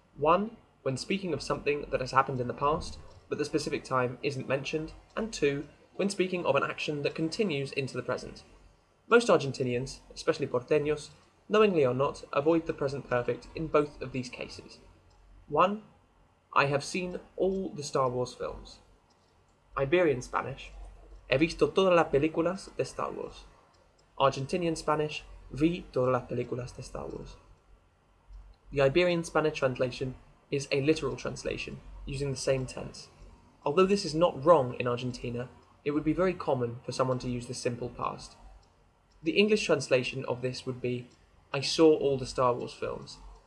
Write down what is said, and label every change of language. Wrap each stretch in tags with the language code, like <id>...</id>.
<en>One, when speaking of something that has happened in the past, but the specific time isn't mentioned, and two, when speaking of an action that continues into the present. Most Argentinians, especially porteños, knowingly or not, avoid the present perfect in both of these cases. One, I have seen all the Star Wars films. Iberian Spanish,</en> <es>he visto todas las películas de Star Wars.</es> <en>Argentinian Spanish,</en> <es>vi todas las películas de Star Wars.</es> <en>The Iberian Spanish translation is a literal translation, using the same tense. Although this is not wrong in Argentina, it would be very common for someone to use the simple past. The English translation of this would be, I saw all the Star Wars films.</en>